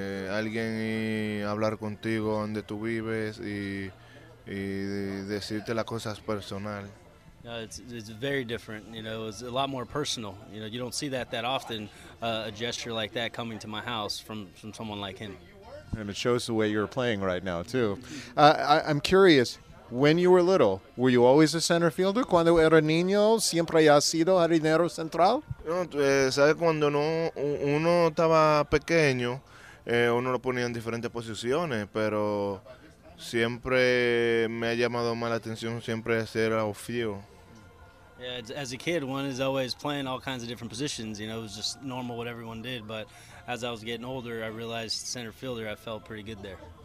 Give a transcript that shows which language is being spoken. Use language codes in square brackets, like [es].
[es] Alguien hablar contigo donde tú vives y decirte las cosas personal. [en] It's very different, you know. It's a lot more personal. You know, you don't see that often, a gesture like that coming to my house from someone like him. And it shows the way you're playing right now, too. I'm curious, when you were little, were you always a center fielder? [es] Cuando era niño, siempre has sido jardinero central? No, sabes, cuando uno estaba pequeño, uno lo ponía en diferentes posiciones, pero... Siempre me ha llamado más la atención siempre ser outfield. [en] Yeah, as a kid, one is always playing all kinds of different positions. You know, it was just normal what everyone did. But as I was getting older, I realized center fielder, I felt pretty good there.